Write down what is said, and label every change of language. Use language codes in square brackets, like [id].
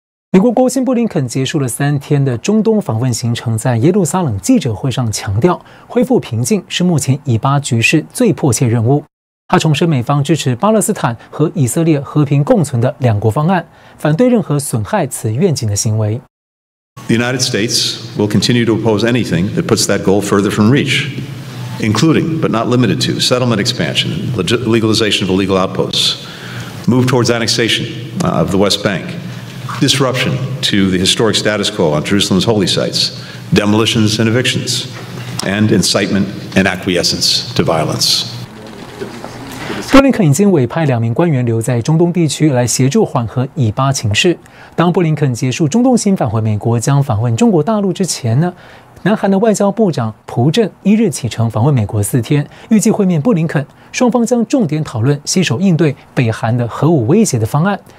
[zh] 美国国务卿布林肯结束了三天的中东访问行程，在耶路撒冷记者会上强调，恢复平静是目前以巴局势最迫切任务。他重申美方支持巴勒斯坦和以色列和平共存的两国方案，反对任何损害此愿景的行为。 [en] The United States will continue to oppose anything that puts that goal further from reach, including but not limited to settlement expansion, legalization of illegal outposts, move towards annexation of the West Bank. Disruption to the historic status quo on Jerusalem's holy sites, demolitions and evictions, and incitement and acquiescence to violence. [zh] 布林肯已经委派两名官员留在中东地区来协助缓和以巴情势。当布林肯结束中东行返回美国，将访问中国大陆之前呢，南韩的外交部长朴正一日启程访问美国四天，预计会面布林肯，双方将重点讨论携手应对北韩的核武威胁的方案。